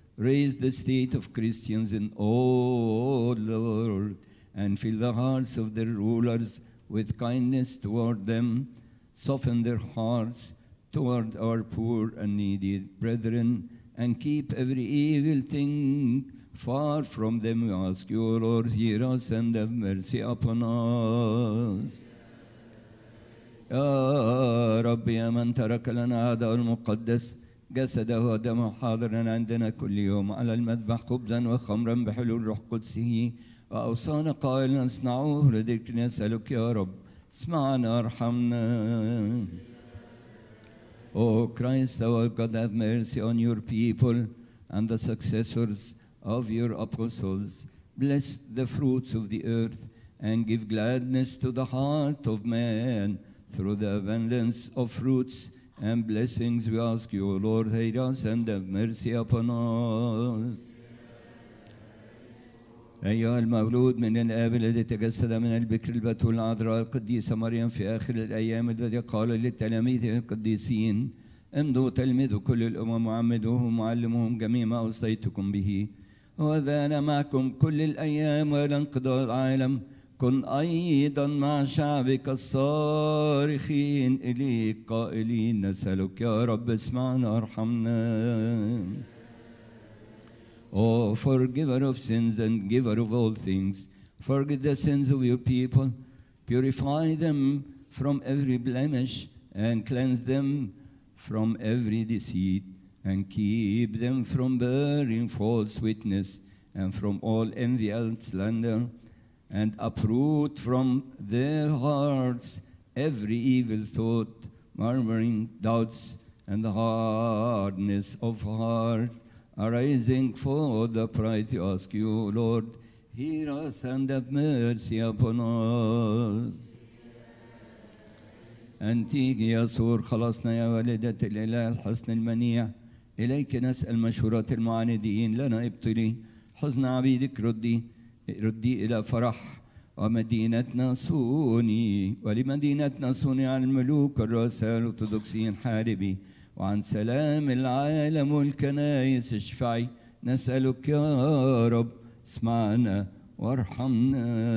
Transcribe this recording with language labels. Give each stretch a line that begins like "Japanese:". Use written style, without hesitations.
English: Raise the state of Christians in all the world and fill the hearts of their rulers with kindness toward them. Soften their hearts toward our poor and needy brethren, and keep every evil thing far from them. We ask you, O Lord, hear us and have mercy upon us.
Arabic: يا رب، يا من ترك لنا هذا المقدس جسده ودمه حاضرا عندنا كل يوم على المذبح خبزا وخمرا بحلول روح قدسه، وأوصانا قائلا اصنعوه لذكرنا، نسألك يا رب اسمعنا ارحمنا.
English: O Christ, our God, have mercy on your people and the successors of your apostles. Bless the fruits of the earth and give gladness to the heart of man through the abundance of fruits and blessings. We ask you, O Lord, hear us and have mercy upon us.
Arabic: أيها المولود من الآب الذي تجسد من البكر البتول العذراء القديسة مريم في آخر الأيام الذي قال للتلاميذ القديسين امضوا تلمذوا كل الأمم وعمدوهم وعلموهم جميع ما أوصيتكم به وهذا أنا معكم كل الأيام وإلى انقضاء العالم كن أيضا مع شعبك الصارخين إليك قائلين نسألك يا رب اسمعنا ارحمنا.
English: O forgiver of sins and giver of all things, forgive the sins of your people, purify them from every blemish, and cleanse them from every deceit, and keep them from bearing false witness, and from all envy and slander, and uproot from their hearts every evil thought, murmuring, doubts, and hardness of heart. Arising for the pride, to ask you, Lord, hear us and have mercy upon us.
Arabic: أنتيك يا صور خلاصنا يا والدة الإله الحسن المنيع إليك نسأل مشهورات المعاندين لنا ابطلي حزن عبيدك ردي إلى فرح ومدينتنا صوني ولمدينتنا صوني عن الملوك الرؤساء الأرثوذكسيين حاربي وعن سلام العالم والكنائس اشفعي نسألك يا رب اسمعنا وارحمنا.